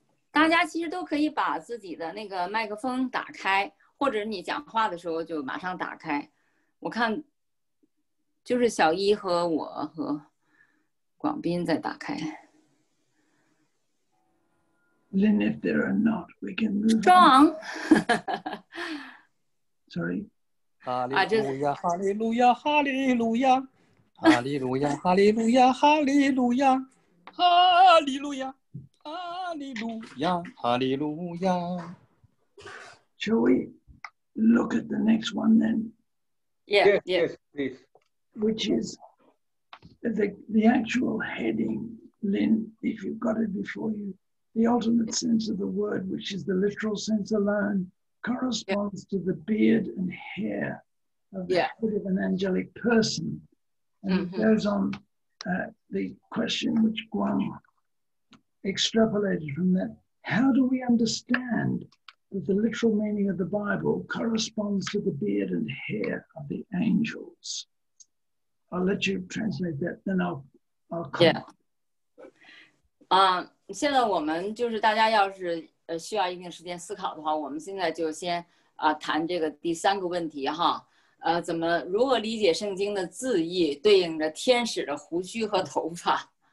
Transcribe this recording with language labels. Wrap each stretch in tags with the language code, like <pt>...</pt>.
<zh>大家其实都可以把自己的那个麦克风打开，或者你讲话的时候就马上打开。我看就是小一和我和广斌在打开。</zh> <en>Lynn, if there are not, we can move. Strong. Sorry. Hallelujah, hallelujah, hallelujah. Hallelujah, hallelujah, hallelujah. Hallelujah. Hallelujah, hallelujah. Shall we look at the next one then? Yes, please. Which is the actual heading, Lynn, if you've got it before you, the ultimate sense of the word, which is the literal sense alone, corresponds to the beard and hair of the head of an angelic person. And it goes on the question which Guang extrapolated from that, how do we understand that the literal meaning of the Bible corresponds to the beard and hair of the angels? I'll let you translate that, then I'll come. Yeah.</en> <zh>现在我们就是大家要是需要一定时间思考的话，我们现在就先谈这个第三个问题哈。怎么如何理解圣经的字义对应着天使的胡须和头发？</zh>